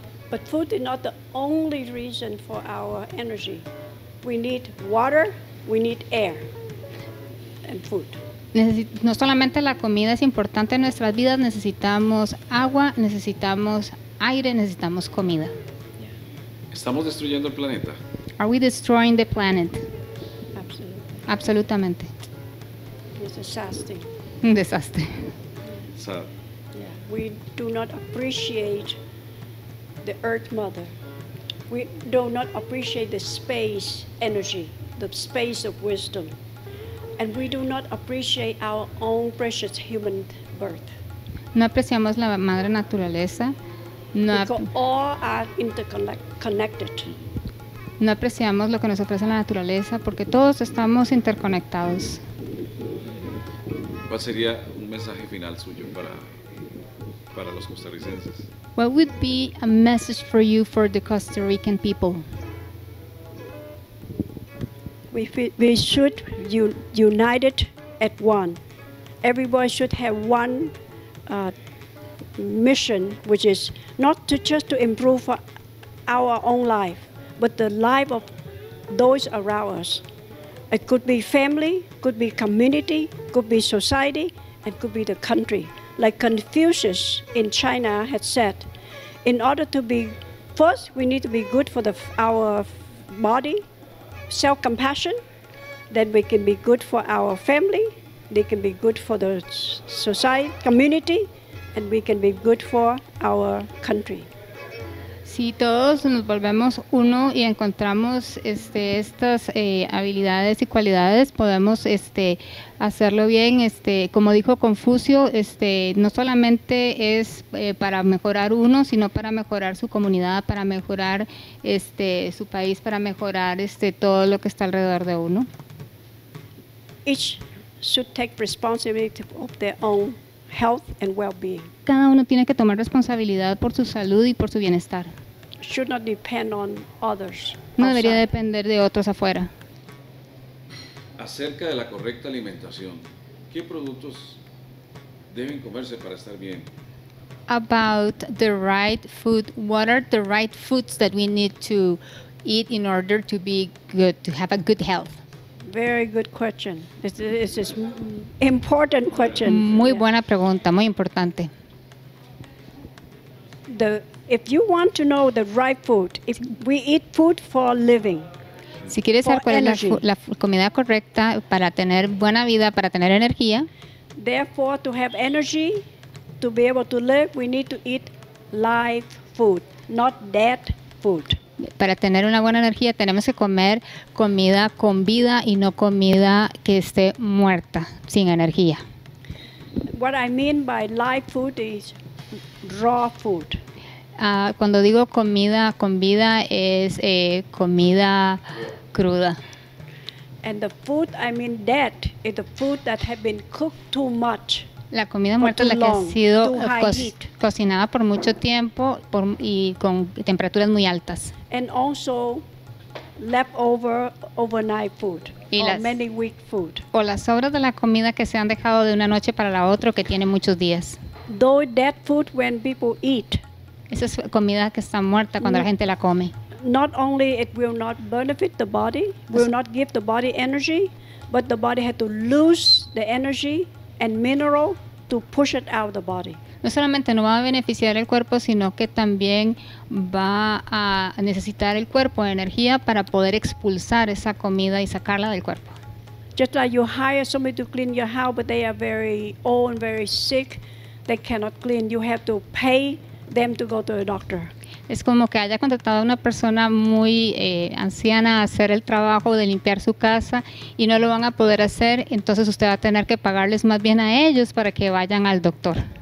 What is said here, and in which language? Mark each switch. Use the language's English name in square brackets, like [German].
[English] But food is not the only reason for our energy. We need water, we need air, and food. [Spanish] No solamente la comida es importante en nuestras vidas, necesitamos agua, necesitamos aire, necesitamos comida. Estamos destruyendo el planeta. [English] Are we destroying the planet? Absolutely. [Spanish] Absolutamente. [English] It's a disaster. [Spanish] Un desastre. [English] Sad. Yeah. We do not appreciate the Earth Mother. We do not appreciate the space energy, the space of wisdom. And we do not appreciate our own precious human birth. [Spanish] No apreciamos la madre naturaleza. No apreciamos lo que nos ofrece la naturaleza porque todos estamos interconectados. ¿Cuál sería un mensaje final suyo para los costarricenses? [English] What would be a message for you for the Costa Rican people? We should united at one. Everybody should have one mission, which is not to just to improve our own life, but the life of those around us. It could be family, could be community, could be society, and could be the country. Like Confucius in China had said, in order to be first, we need to be good for our body, self-compassion, then we can be good for our family, they can be good for the society, community, and we can be good for our country. [Spanish] Si todos nos volvemos uno y encontramos estas habilidades y cualidades, podemos hacerlo bien. Como dijo Confucio, no solamente es para mejorar uno, sino para mejorar su comunidad, para mejorar su país, para mejorar todo lo que está alrededor de uno. [English] Each should take responsibility of their own health and well-being. [Spanish] Cada uno tiene que tomar responsabilidad por su salud y por su bienestar. [English] Should not depend on others. [Spanish] No debería depender de otros afuera. Acerca de la correcta alimentación, ¿qué productos deben comerse para estar bien? [English] About the right food, what are the right foods that we need to eat in order to be good, to have a good health? Very good question. It's an important question. [Spanish] Muy buena pregunta, muy importante. [English] If you want to know the right food, if we eat food for living, [Spanish] Si quieres saber cuál es la comida correcta para tener buena vida, para tener energía. [English] Therefore, to have energy, to be able to live, we need to eat live food, not dead food. [Spanish] Para tener una buena energía, tenemos que comer comida con vida y no comida que esté muerta, sin energía. [English] What I mean by live food is raw food. [Spanish] Cuando digo comida con vida es comida cruda. [English] And the food I mean dead is the food that has been cooked too much. [Spanish] La comida muerta es la que ha sido cocinada por mucho tiempo y con temperaturas muy altas. [English] And also leftover overnight food or many week food. [Spanish] O las sobras de la comida que se han dejado de una noche para la otra que tiene muchos días. [English] Though dead food when people eat. [Spanish] Esa es comida que está muerta cuando la gente la come. [English] Not only it will not benefit the body, will not give the body energy, but the body had to lose the energy and mineral to push it out of the body. [Spanish] No solamente no va a beneficiar el cuerpo, sino que también va a necesitar el cuerpo de energía para poder expulsar esa comida y sacarla del cuerpo. [English] Just like you hire somebody to clean your house, but they are very old and very sick, they cannot clean. You have to pay them to go to the doctor. [Spanish] Es como que haya contratado a una persona muy anciana a hacer el trabajo de limpiar su casa y no lo van a poder hacer, entonces usted va a tener que pagarles más bien a ellos para que vayan al doctor.